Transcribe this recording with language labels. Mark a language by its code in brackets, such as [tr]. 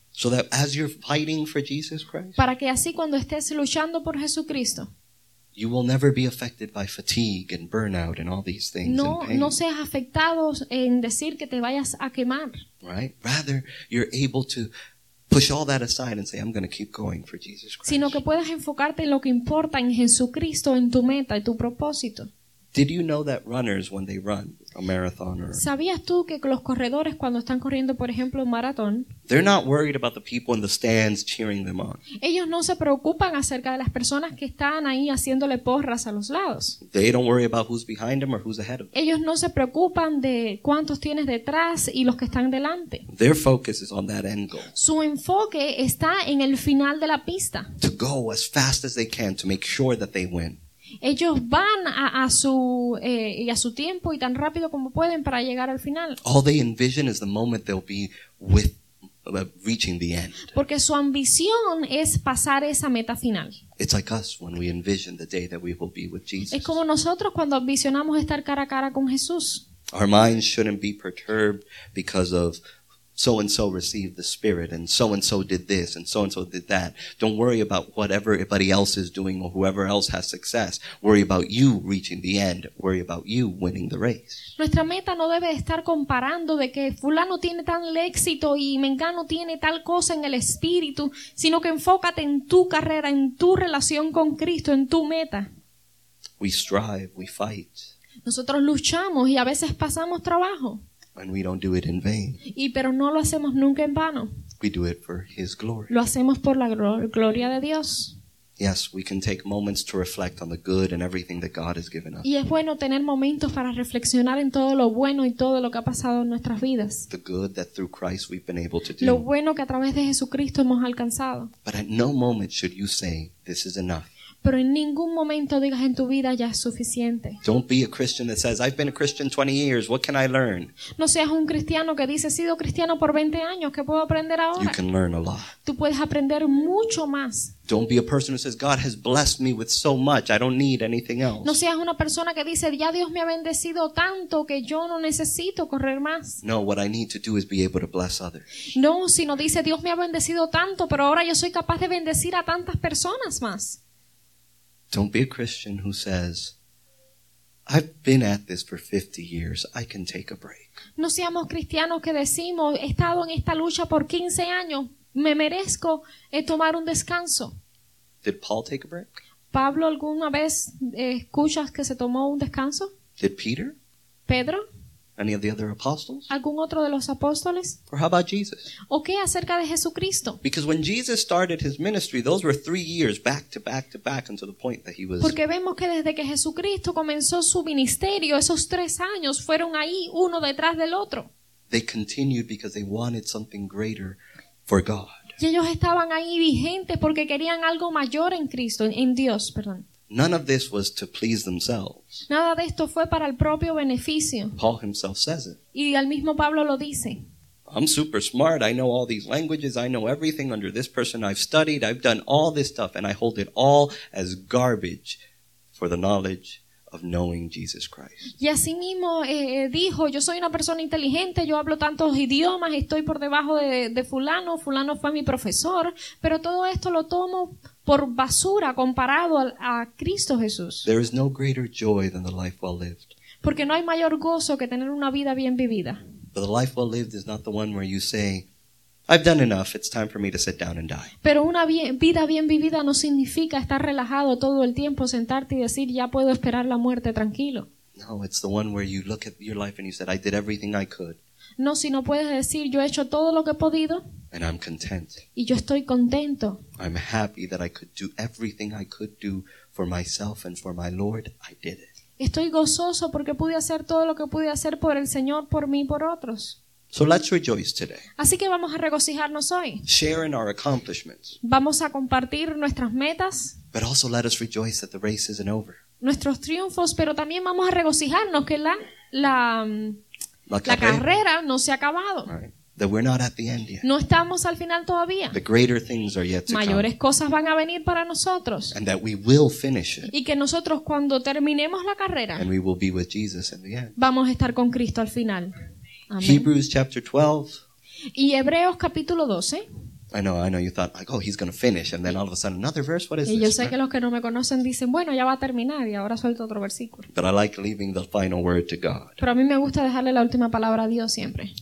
[en] So that as you're fighting for Jesus Christ. [es] Para que así cuando estés luchando por Jesucristo. [en] You will never be affected by fatigue and burnout and all these things. No, and pain. [es] No seas afectado en decir que te vayas a quemar. [en] Right? Rather, you're able to push all that aside and say, I'm going to keep going for Jesus Christ. [es] Sino que puedas enfocarte en lo que importa, en Jesucristo, en tu meta, en tu propósito. [en] Did you know that runners, when they run a marathon or... [es] ¿Sabías tú que los corredores cuando están corriendo, por ejemplo, un maratón? [en] They're not worried about the people in the stands cheering them on. [es] Ellos no se preocupan acerca de las personas que están ahí haciéndole porras a los lados. [en] They don't worry about who's behind them or who's ahead of them. [es] Ellos no se preocupan de cuántos tienes detrás y los que están delante. [en] Their focus is on that end goal. [es] Su enfoque está en el final de la pista. [en] To go as fast as they can to make sure that they win. [es] Ellos van a su tiempo y tan rápido como pueden para llegar al final. [en] All they envision is the moment they'll be with reaching the end. [es] Porque su ambición es pasar esa meta final. [en] It's like us when we envision the day that we will be with Jesus. [es] Es como nosotros cuando visionamos estar cara a cara con Jesús. [en] Our minds shouldn't be perturbed because of so and so received the Spirit, and so did this, and so did that. Don't worry about what everybody else is doing or whoever else has success. Worry about you reaching the end. Worry about you winning the race. [es] Nuestra meta no debe estar comparando de que fulano tiene tal éxito y mengano tiene tal cosa en el espíritu, sino que enfócate en tu carrera, en tu relación con Cristo, en tu meta. [en] We strive, we fight. [es] Nosotros luchamos y a veces pasamos trabajo. [en] And we don't do it in vain. [es] Y pero no lo hacemos nunca en vano. [en] We do it for His glory. [es] Lo hacemos por la gloria de Dios. [en] Yes, we can take moments to reflect on the good and everything that God has given us. [es] Y es bueno tener momentos para reflexionar en todo lo bueno y todo lo que ha pasado en nuestras vidas. [en] The good that through Christ we've been able to do. [es] Lo bueno que a través de Jesucristo hemos alcanzado. [en] But at no moment should you say, "This is enough." [es] Pero en ningún momento digas en tu vida ya es suficiente. [en] Don't be a Christian that says, I've been a Christian 20 years, what can I learn? [es] No seas un cristiano que dice, he sido cristiano por 20 años, ¿qué puedo aprender ahora? [en] You can learn a lot. [es] Tú puedes aprender mucho más. [en] Don't be a person who says, God has blessed me with so much, I don't need anything else. [es] No seas una persona que dice, ya Dios me ha bendecido tanto que yo no necesito correr más. [en] No, what I need to do is be able to bless others. [es] No, sino dice, Dios me ha bendecido tanto, pero ahora yo soy capaz de bendecir a tantas personas más. [en] Don't be a Christian who says, I've been at this for 50 years, I can take a break. [es] No seamos cristianos que decimos, he estado en esta lucha por 15 años, me merezco tomar un descanso. [en] Did Paul take a break? [es] ¿Pablo alguna vez escuchas que se tomó un descanso? [en] Did Peter? [es] ¿Pedro? [en] Any of the other apostles? [es] ¿Algún otro de los apóstoles? [en] Or how about Jesus? [es] ¿O qué acerca de Jesucristo? [en] Because when Jesus started his ministry, those were 3 years back to back to back until the point that he was... [es] Porque vemos que desde que Jesucristo comenzó su ministerio, esos 3 años fueron ahí uno detrás del otro. [en] They continued because they wanted something greater for God. [es] Y ellos estaban ahí vigentes porque querían algo mayor en Cristo, en Dios, perdón. [en] None of this was to please themselves. [es] Nada de esto fue para el propio beneficio. [en] Paul himself says it. [es] Y al mismo Pablo lo dice. [en] I'm super smart. I know all these languages. I know everything under this person. I've studied. I've done all this stuff. And I hold it all as garbage for the knowledge of knowing Jesus Christ. [es] Y así mismo dijo, yo soy una persona inteligente. Yo hablo tantos idiomas. Estoy por debajo de fulano. Fulano fue mi profesor. Pero todo esto lo tomo... por basura comparado a Cristo Jesús. [en] There is no greater joy than the life well lived. [es] Porque no hay mayor gozo que tener una vida bien vivida. [en] But the life well lived is not the one where you say, I've done enough, it's time for me to sit down and die. [es] Pero una vida bien vivida no significa estar relajado todo el tiempo, sentarte y decir, ya puedo esperar la muerte tranquilo. [en] No, it's the one where you look at your life and you said, I did everything I could. [es] No, sino puedes decir, yo he hecho todo lo que he podido. [en] And I'm content. [es] Y yo estoy contento. [en] I'm happy that I could do everything I could do for myself and for my Lord. I did it. [es] Estoy gozoso porque pude hacer todo lo que pude hacer por el Señor, por mí, por otros. [en] So let's rejoice today. [es] Así que vamos a regocijarnos hoy. [en] Share in our accomplishments. [es] Vamos a compartir nuestras metas. [en] But also let us rejoice that the race isn't over. [es] Nuestros triunfos, pero también vamos a regocijarnos que la carrera no se ha acabado. [en] Right. That we're not at the end yet. [es] No estamos al final todavía. [en] The greater things are yet to [es] Mayores [en] come. [es] Cosas van a venir para nosotros. [en] And that we will finish it. [es] Y que nosotros cuando terminemos la carrera. [en] And we will be with Jesus in the end. [es] Vamos a estar con Cristo al final. Amén. [en] Hebrews chapter 12. [es] Y Hebreos capítulo 12. [en] I know you thought like, oh, he's going to finish and then all of a sudden another verse, what is this? [es] Y yo sé que los que no me conocen dicen, bueno, ya va a terminar y ahora suelto otro versículo. [en] But I like leaving the final word to God. [es] Pero a mí me gusta dejarle la última palabra a Dios siempre.